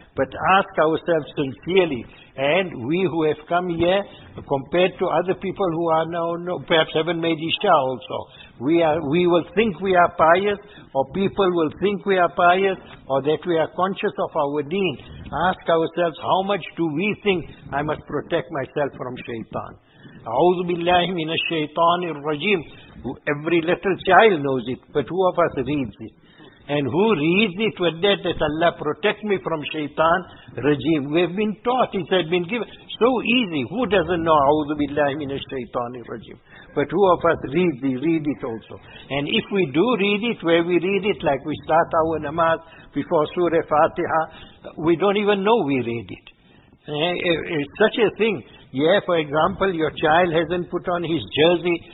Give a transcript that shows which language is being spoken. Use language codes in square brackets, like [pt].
[en] But ask ourselves sincerely. And we who have come here, compared to other people who are now, perhaps haven't made Isha also. We will think we are pious, or people will think we are pious, or that we are conscious of our deen. Ask ourselves, how much do we think I must protect myself from shaitan? [ar] أعوذ بالله من الشيطان الرجيم. [en] Every little child knows it, but who of us reads it? And who reads it with that Allah protect me from shaitan rajim? We have been taught, it has been given. So easy. Who doesn't know [ar] أعوذ بالله من الشيطان الرجيم? [en] But who of us read it also? And if we do read it, where we read it, like we start our namaz before Surah Fatiha, we don't even know we read it. It's such a thing. Yeah, for example, your child hasn't put on his jersey.